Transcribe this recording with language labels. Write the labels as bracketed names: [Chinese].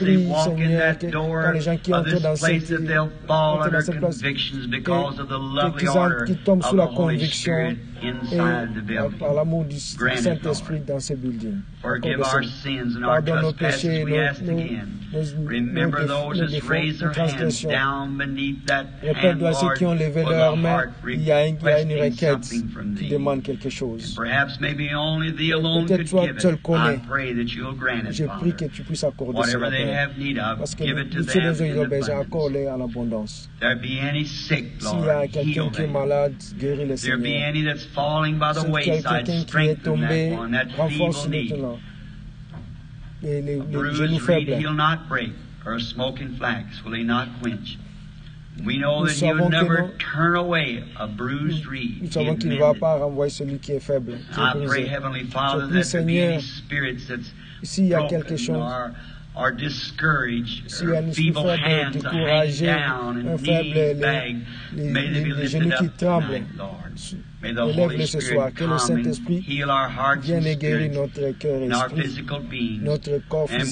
[English] God, I pray that men and women, as they walk in that door of this place, that they'll fall under convictions because of the lovely order of the Holy Spirit. [French] et par l'amour du Saint-Esprit dans ce building. Pardonne nos péchés et nos transgressions. Répète-toi ceux qui ont levé leurs mains, il y a une requête qui demande quelque chose. Peut-être toi seul connais. Je prie que tu puisses accorder cela à eux. Parce que tous les gens ont besoin, accorde-les en abondance. S'il y a quelqu'un qui est malade, guéris le Seigneur. [English] Be any that's falling by the wayside, strengthen that one, that feeble knee. A bruised reed he'll not break, or a smoking flax will he not quench. We know that he would never turn away a bruised reed. [French] Nous savons qu'il ne va pas renvoyer celui qui est faible. [English] I pray, Heavenly Father, that there be any spirits that's broken or are discouraged, or feeble hands are hanging down and knees bagged, may they be lifted up tonight, Lord. May the Holy Spirit come and heal our hearts and spirits and our physical beings.